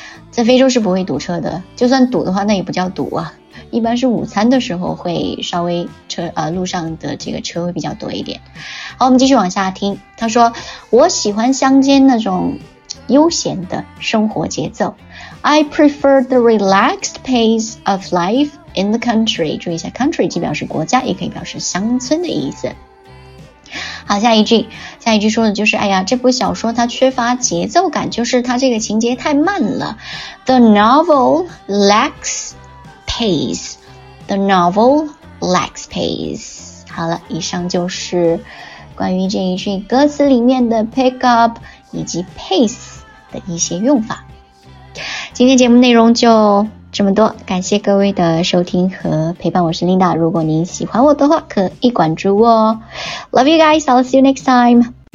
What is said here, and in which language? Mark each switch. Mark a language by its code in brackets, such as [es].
[zh] 在非洲是不会堵车的，就算堵的话那也不叫堵啊，一般是午餐的时候会稍微路上的这个车会比较多一点。好，我们继续往下听。他说，我喜欢乡间那种悠闲的生活节奏。 [en] I prefer the relaxed pace of life in the country. [zh] 注意一下， country 既表示国家也可以表示乡村的意思。好，下一句，下一句说的就是，哎呀，这部小说它缺乏节奏感，就是它这个情节太慢了。 [en] The novel lacks pace. The novel lacks pace. [zh] 好了，以上就是关于这一句歌词里面的 pick up 以及 pace 的一些用法。今天节目内容就这么多，感谢各位的收听和陪伴，我是 Linda， 如果您喜欢我的话可以关注我哦。 [en] Love you guys, I'll see you next time.